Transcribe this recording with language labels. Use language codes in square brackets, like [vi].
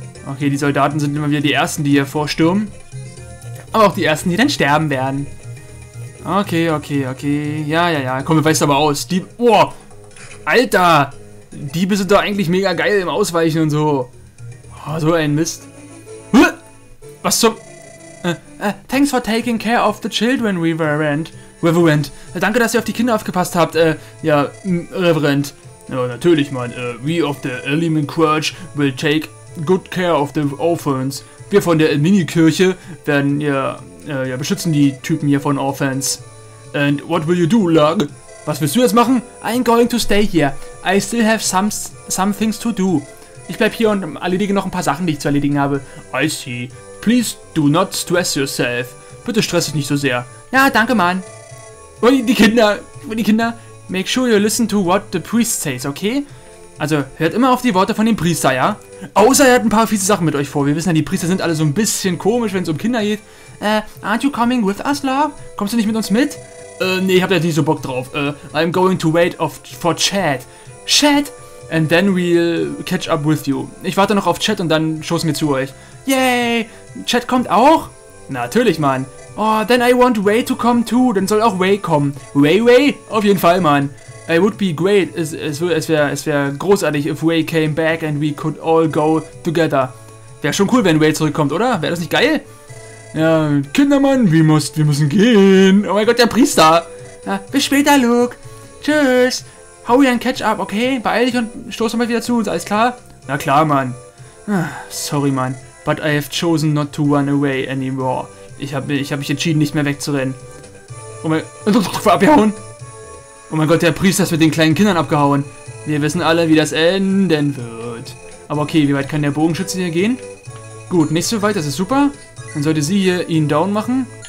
[de] Okay, die Soldaten sind immer wieder die Ersten, die hier vorstürmen. Aber auch die Ersten, die dann sterben werden. Okay, okay, okay. Ja, ja, ja. Komm, wir weichen aber aus. Oh! Alter! Diebe sind doch eigentlich mega geil im Ausweichen und so. Oh, so ein Mist. Was zum... [en] Thanks for taking care of the children, Reverend. [de] Reverend, danke, dass ihr auf die Kinder aufgepasst habt, Reverend. Ja, natürlich, Mann. [en] We of the Element Church will take good care of the orphans. [de] Wir von der Mini-Kirche werden beschützen die Typen hier von Orphans. [en] And what will you do, Lug? [de] Was willst du jetzt machen? [en] I'm going to stay here. I still have some things to do. [de] Ich bleib hier und erledige noch ein paar Sachen, die ich zu erledigen habe. [en] I see. Please do not stress yourself. [de] Bitte stress dich nicht so sehr. Ja, danke, Mann. Und die Kinder. Und die Kinder. [en] Make sure you listen to what the priest says, okay? [de] Also, hört immer auf die Worte von dem Priester, ja? Außer er hat ein paar fiese Sachen mit euch vor. Wir wissen ja, die Priester sind alle so ein bisschen komisch, wenn es um Kinder geht. [en] Aren't you coming with us, love? [de] Kommst du nicht mit uns mit? Nee, ich hab da nicht so Bock drauf. [en] I'm going to wait for Chad. Chad? And then we'll catch up with you. [de] Ich warte noch auf Chad und dann schoßen wir zu euch. Yay! Chad kommt auch? Natürlich, Mann. [en] Oh, then I want Ray to come too. [de] Dann soll auch Ray kommen. [en] Ray? [de] Auf jeden Fall, Mann. [en] It would be great. [de] Es wäre großartig, [en] if Ray came back and we could all go together. [de] Wäre schon cool, wenn Ray zurückkommt, oder? Wäre das nicht geil? Ja, Kindermann, wir müssen gehen. Oh mein Gott, der Priester. Ja, bis später, Luke. Tschüss. Hau dir ein Ketchup, okay? Beeil dich und stoß mal wieder zu uns, alles klar? Na klar, Mann. Sorry, Mann. [en] But I have chosen not to run away anymore. [de] Ich hab mich entschieden, nicht mehr wegzurennen. Oh mein Gott, der Priester ist mit den kleinen Kindern abgehauen. Wir wissen alle, wie das enden wird. Aber okay, wie weit kann der Bogenschütze hier gehen? Gut, nicht so weit, das ist super. Dann sollte sie hier ihn down machen.